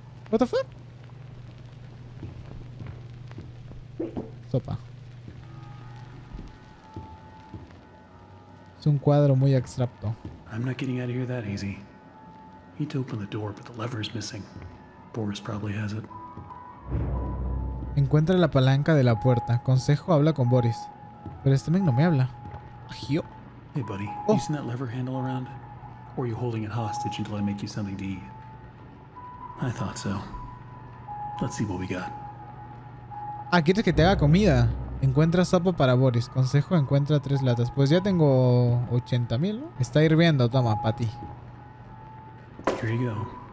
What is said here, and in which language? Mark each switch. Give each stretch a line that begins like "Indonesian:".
English: ¿What the fuck?
Spanish: Sopa. Es un cuadro muy abstracto.
English: I'm not getting out of here that easy. Need to open the door, but the lever is missing. Boris probably has it.
Spanish: Encuentra la palanca de la puerta. Consejo, habla con Boris. Pero este men no me habla. Agio.
English: Hey buddy, oh. You seen that lever handle around? Or are you holding it hostage until I make you something to eat? I thought so. Let's see what we got.
Spanish: Ah, ¿quieres que te haga comida? Encuentra sopa para Boris. Consejo, encuentra 3 latas. Pues ya tengo 80,000, ¿no? Está hirviendo, toma, para ti.
English: Here you go.